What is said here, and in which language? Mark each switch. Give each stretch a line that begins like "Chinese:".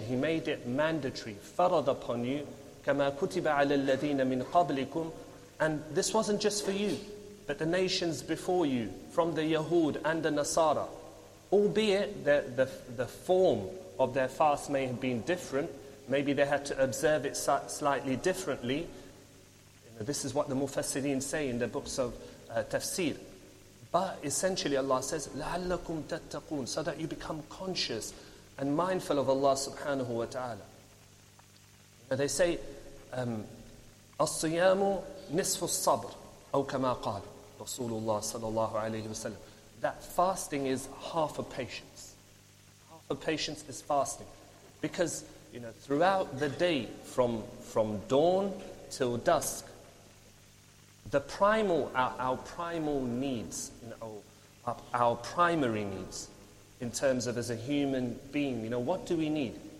English: He made it mandatory, farad upon you,
Arabic: kama kutiba 'alal ladina min qablikum,
English: and this wasn't just for you, but the nations before you, from the Yahud and the Nasara, albeit the form of their fast may have been different, maybe they had to observe it slightly differently. This is what the Mufassirin say in the books of Tafsir. But essentially Allah says,
Arabic: لَعَلَّكُمْ تَتَّقُونَ,
English: so that you become conscious and mindful of Allah subhanahu wa ta'ala. Now they say,
Arabic: الصِّيَامُ نِصْفُ الصَّبْرِ أو كما قال رسول الله صلى الله عليه وسلم,
English: that fasting is half a patience. Half a patience is fasting. Because, you know, throughout the day, from dawn till dusk, the primal, our primal needs, you know, our primary needs in terms of as a human being, you know, what do we need?